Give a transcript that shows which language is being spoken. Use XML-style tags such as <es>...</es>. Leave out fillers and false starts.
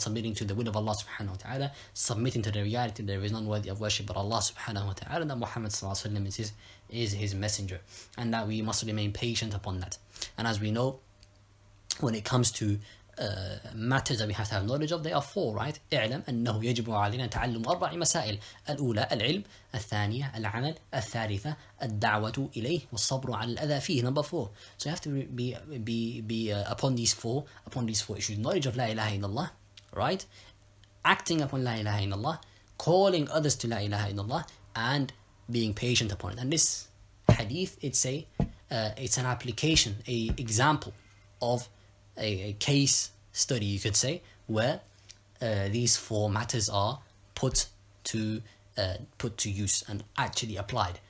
<en>Submitting to the will of Allah subhanahu wa ta'ala. Submitting to the reality that there is none worthy of worship but Allah subhanahu wa ta'ala, that Muhammad sallallahu alayhi wa sallam is his messenger, and that we must remain patient upon that. And as we know, when it comes to matters that we have to have knowledge of, they are four, right?</en> <ar>اعلم أنه يجب علينا تعلم أربع مسائل. الأولى العلم, الثانية العمل, الثالثة الدعوة إليه والصبر على الأذى فيه.</ar> <en>Number four. So you have to be upon these four issues. Knowledge of لا إله إلا الله, right? Acting upon لا إله إلا الله, calling others to لا إله إلا الله, and being patient upon it. And this hadith, it's an application, a example of a case study, you could say, where these four matters are put to use and actually applied.</en>